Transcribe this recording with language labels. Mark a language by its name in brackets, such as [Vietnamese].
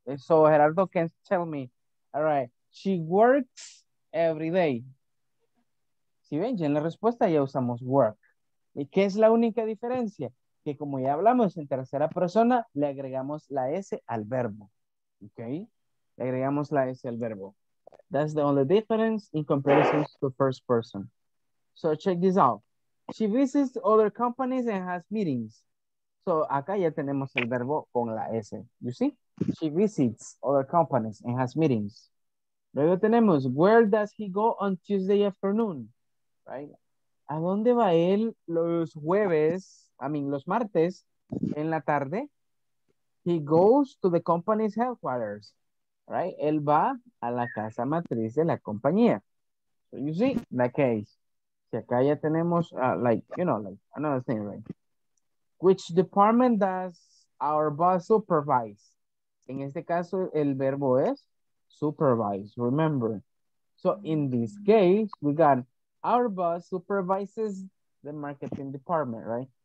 [English] So Gerardo can tell me, all right, she works every day. [Spanish] Si ven, ya en la respuesta ya usamos work. ¿Y qué es la única diferencia? Que como ya hablamos en tercera persona, le agregamos la S al verbo. ¿Ok? Le agregamos la S al verbo. [English] That's the only difference in comparison to first person. So check this out. She visits other companies and has meetings. So [Spanish] acá ya tenemos el verbo con la S. [English] You see? She visits other companies and has meetings. [Spanish] Luego tenemos, [English] where does he go on Tuesday afternoon? Right? [Spanish] ¿A dónde va él los jueves, [English] I mean, [Spanish] los martes, en la tarde? [English] He goes to the company's headquarters, right? [Spanish] Él va a la casa matriz de la compañía. [English] So you see the case. [Spanish] Si acá ya tenemos, [English] like, you know, like, another thing, right? Which department does our boss supervise? [Spanish] En este caso, el verbo es supervise, [English] remember. So in this case, we got... Our boss supervises the marketing department, right?